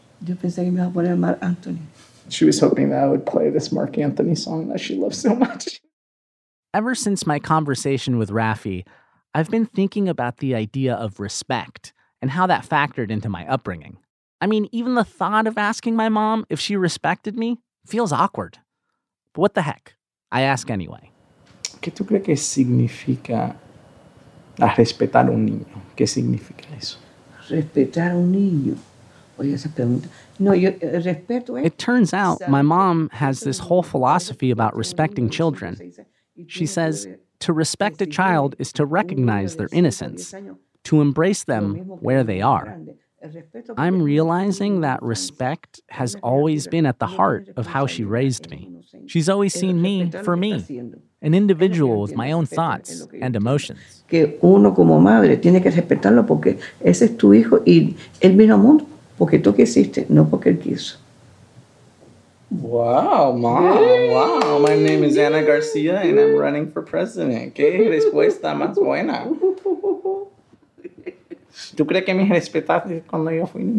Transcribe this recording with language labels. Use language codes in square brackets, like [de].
[es] Yo pensé que me iba a poner Mark Anthony. [en] She was hoping that I would play this Mark Anthony song that she loves so much. Ever since my conversation with Raffy, I've been thinking about the idea of respect and how that factored into my upbringing. I mean, even the thought of asking my mom if she respected me feels awkward. But what the heck? I ask anyway. [es] ¿Qué tú crees que significa a respetar un niño? ¿Qué significa eso? Respetar un niño. Oye, esa pregunta. No, yo respeto. [en] It turns out my mom has this whole philosophy about respecting children. She says, to respect a child is to recognize their innocence, to embrace them where they are. I'm realizing that respect has always been at the heart of how she raised me. She's always seen me for me, an individual with my own thoughts and emotions. [es] Que uno como madre tiene que respetarlo porque ese es tu hijo y él vino al mundo porque tú quisiste, no porque él quiso. [en] Wow, mom, wow. My name is Ana Garcia, and I'm running for president. [es] ¿Qué respuesta más buena? ¿Tú crees que me respetaste cuando yo fui niño?